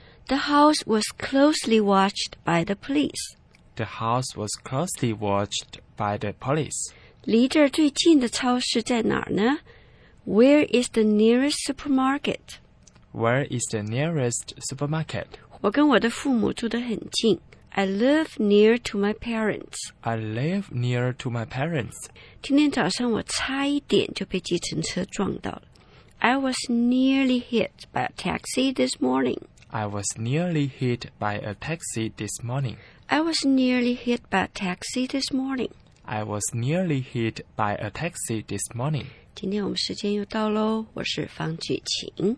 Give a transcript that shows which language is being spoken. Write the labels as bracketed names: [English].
[English] The house was closely watched by the police. The house was closely watched by the police. [Chinese] 离这儿最近的超市在哪儿呢？ [English] Where is the nearest supermarket? Where is the nearest supermarket? [Chinese] 我跟我的父母住得很近。 [English] I live near to my parents. I live near to my parents. [Chinese] 今天早上我差一点就被计程车撞到了。 [English] I was nearly hit by a taxi this morning. I was nearly hit by a taxi this morning. I was nearly hit by a taxi this morning. I was nearly hit by a taxi this morning. [Chinese] 今天我们时间又到咯，我是方举晴，